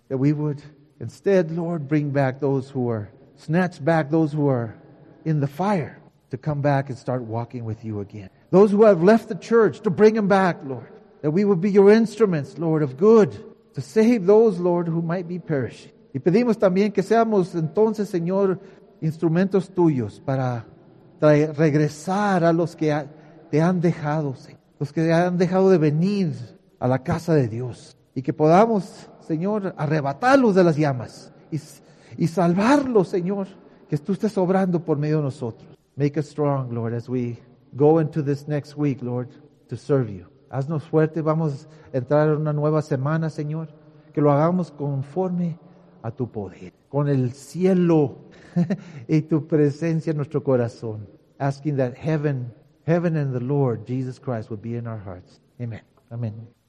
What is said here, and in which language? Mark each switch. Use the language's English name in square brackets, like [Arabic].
[English] That we would instead, Lord, snatch back those who are in the fire to come back and start walking with you again. Those who have left the church, to bring them back, Lord. That we would be your instruments, Lord, of good, to save those, Lord, who might be perishing. [Spanish] Y pedimos también que seamos entonces, Señor, instrumentos tuyos para regresar a los que te han dejado, Señor. Los que han dejado de venir a la casa de Dios. Y que podamos, Señor, arrebatarlos de las llamas y salvarlos, Señor, que tú estés obrando por medio de nosotros. [English] Make us strong, Lord, as we go into this next week, Lord, to serve you. [Spanish] Haznos fuerte, vamos a entrar en una nueva semana, Señor, que lo hagamos conforme a tu poder, con el cielo y tu presencia en nuestro corazón. [English] Asking that heaven and the Lord Jesus Christ would be in our hearts. Amen. Amen.